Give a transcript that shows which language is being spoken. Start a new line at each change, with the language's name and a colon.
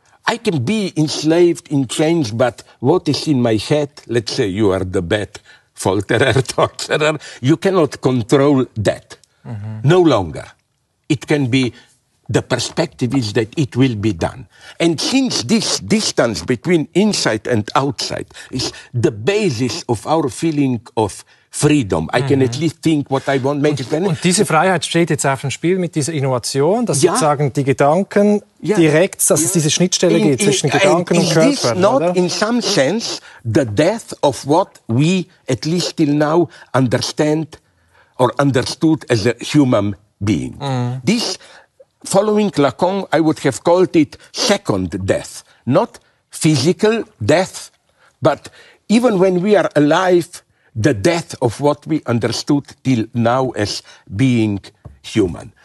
English: I can be enslaved in chains, but what is in my head, let's say you are the bad folterer, torturer, you cannot control that. Mm-hmm. No longer. It can be... The perspective is that it will be done. And since this distance between inside and outside is the basis of our feeling of freedom, I can at least think what I want, make it
German: Und diese Freiheit steht jetzt auf dem Spiel mit dieser Innovation, dass sozusagen die Gedanken direkt, dass es diese Schnittstelle gibt zwischen Gedanken und Körper.
English: Is this not in some sense the death of what we at least till now understand or understood as a human being? This... Following Lacan, I would have called it second death. Not physical death, but even when we are alive, the death of what we understood till now as being human.